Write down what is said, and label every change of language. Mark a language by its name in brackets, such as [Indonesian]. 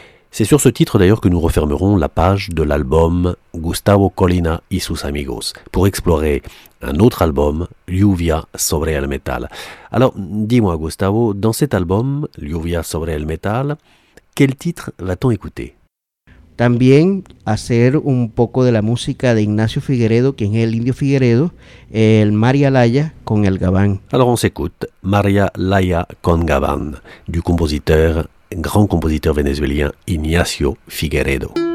[French] C'est sur ce titre d'ailleurs que nous refermerons la page de l'album Gustavo Colina y sus amigos, pour explorer un autre album, Lluvia sobre el metal. Alors, dis-moi Gustavo, dans cet album, Lluvia sobre el metal, quel titre va-t-on écouter? [Spanish] También hacer un poco de la música de Ignacio Figueredo, quien es el Indio Figueredo, el María Laya con el Gabán. [French] Alors on s'écoute María Laya con Gabán, du compositeur, grand compositeur vénézuélien Ignacio Figueredo.